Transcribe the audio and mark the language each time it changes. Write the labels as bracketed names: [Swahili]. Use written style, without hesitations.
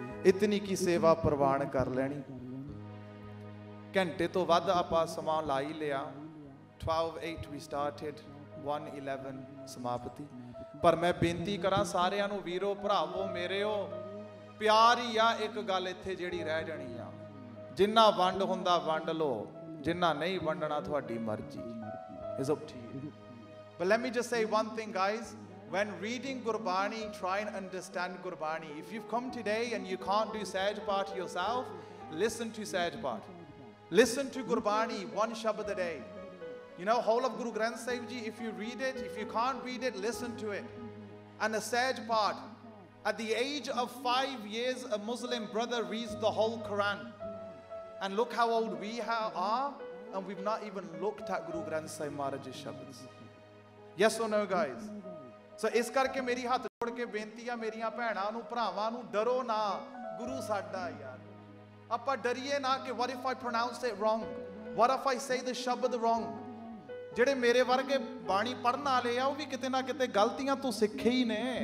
[Punjabi] ਇਤਨੀ ਕੀ ਸੇਵਾ ਪ੍ਰਵਾਨ ਕਰ ਲੈਣੀ ਘੰਟੇ ਤੋਂ ਵੱਧ ਆਪਾਂ ਸਮਾਂ ਲਾਈ ਲਿਆ 12:08 [English] we started [Punjabi] 1:11 ਸਮਾਪਤੀ ਪਰ ਮੈਂ ਬੇਨਤੀ ਕਰਾਂ ਸਾਰਿਆਂ ਨੂੰ ਵੀਰੋ ਭਰਾਵੋ ਮੇਰਿਓ ਪਿਆਰ ਹੀ ਆ ਇੱਕ ਗੱਲ ਇੱਥੇ ਜਿਹੜੀ ਰਹਿ ਜਾਣੀ ਆ ਜਿੰਨਾ ਵੰਡ ਹੁੰਦਾ ਵੰਡ ਲਓ ਜਿੰਨਾ ਨਹੀਂ ਵੰਡਣਾ ਤੁਹਾਡੀ ਮਰਜ਼ੀ ਇਸ ਉਪ ਠੀਕ [English] But let me just say one thing guys When reading Gurbani, try and understand Gurbani. If you've come today and you can't do Sahaj Paath yourself, listen to Sahaj Paath. Listen to Gurbani, one Shabad a day. You know, whole of Guru Granth Sahib Ji, if you read it, if you can't read it, listen to it. And the Sahaj Paath, at the age of 5 years, a Muslim brother reads the whole Quran. And look how old we are, and we've not even looked at Guru Granth Sahib Maharaj's Shabads. Yes or no, guys? [Punjabi] ਸੋ ਇਸ ਕਰਕੇ ਮੇਰੀ ਹੱਥ ਜੋੜ ਕੇ ਬੇਨਤੀ ਆ ਮੇਰੀਆਂ ਭੈਣਾਂ ਨੂੰ ਭਰਾਵਾਂ ਨੂੰ ਡਰੋ ਨਾ ਗੁਰੂ ਸਾਡਾ ਯਾਰ ਆਪਾਂ ਡਰੀਏ ਨਾ ਕਿ [English] what if I pronounce it wrong what if I say the shabad wrong [Punjabi] ਜਿਹੜੇ ਮੇਰੇ ਵਰਗੇ ਬਾਣੀ ਪੜ੍ਹਨ ਵਾਲੇ ਆ ਉਹ ਵੀ ਕਿਤੇ ਨਾ ਕਿਤੇ ਗਲਤੀਆਂ ਤੋਂ ਸਿੱਖੇ ਹੀ ਨੇ